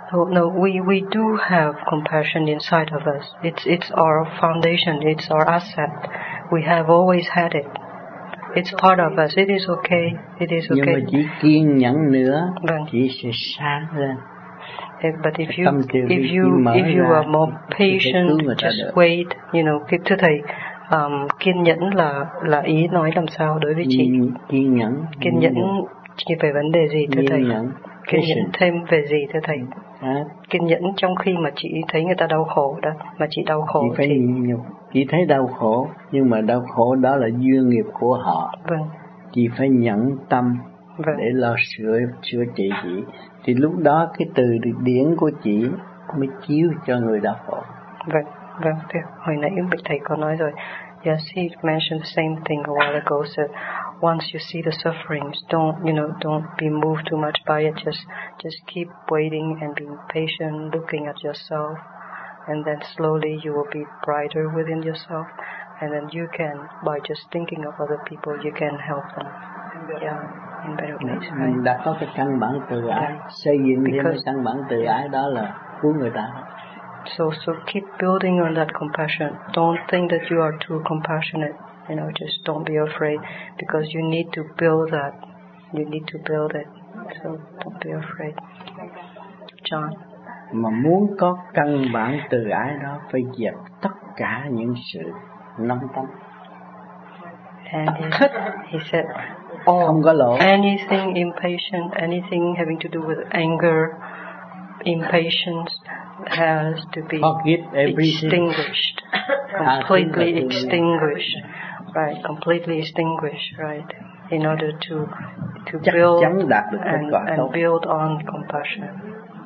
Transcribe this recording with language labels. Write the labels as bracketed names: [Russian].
[English] No, we do have compassion inside of us. It's our foundation. It's our asset. We have always had it. It's part of us. It is okay. It is okay. [Vietnamese] Nhưng mà chỉ kiên nhẫn nữa, chỉ sẽ sáng lên. [English] But if you are more patient, just wait. You know, keep to thầy. [Vietnamese] Kiên nhẫn là ý nói làm sao đối với chị? Kiên nhẫn. Chị về vấn đề gì thưa thầy? Kiên nhẫn thêm về gì thưa thầy? À. Kiên nhẫn trong khi mà chị thấy người ta đau khổ đó, mà chị đau khổ chị thấy đau khổ, nhưng mà đau khổ đó là duyên nghiệp của họ. Vâng. Chị phải nhẫn tâm. Vâng. Để lo sửa trị chị. Thì lúc đó cái từ điển của chị mới chiếu cho người đau khổ. Vâng, vâng. Thế hồi nãy thầy có nói rồi. [English] Yes, he mentioned the same thing a while ago. So once you see the sufferings, don't be moved too much by it. Just keep waiting and being patient, looking at yourself, and then slowly you will be brighter within yourself, and then you can, by just thinking of other people, you can help them. Yeah, in better ways. [Vietnamese] Mình đã có cái căn bản từ ái, xây dựng cái căn bản từ ái đó là cứu người ta. [English] So keep building on that compassion. Don't think that you are too compassionate. You know, just don't be afraid, because you need to build that. You need to build it. So don't be afraid. John. [Vietnamese] Mà muốn có căn bản từ ái đó, phải dẹp tất cả những sự nóng tâm. [English] And he said, anything impatient, anything having to do with anger, impatience has to be extinguished. Completely extinguished. Right, completely extinguished, right, in order to build and build on compassion.